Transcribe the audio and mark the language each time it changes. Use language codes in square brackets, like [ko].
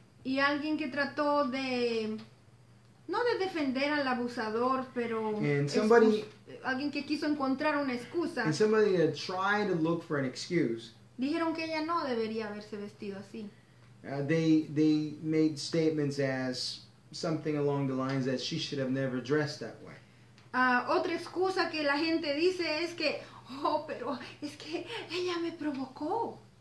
[es] Y alguien que trató de no de defender al abusador, pero alguien que quiso encontrar una excusa. [en] And somebody that tried to look for an excuse. [es] Dijeron que ella no debería haberse vestido así. [en] They made statements as something along the lines that she should have never dressed that way. [es] Otra excusa que la gente dice es que, pero es que ella me provocó.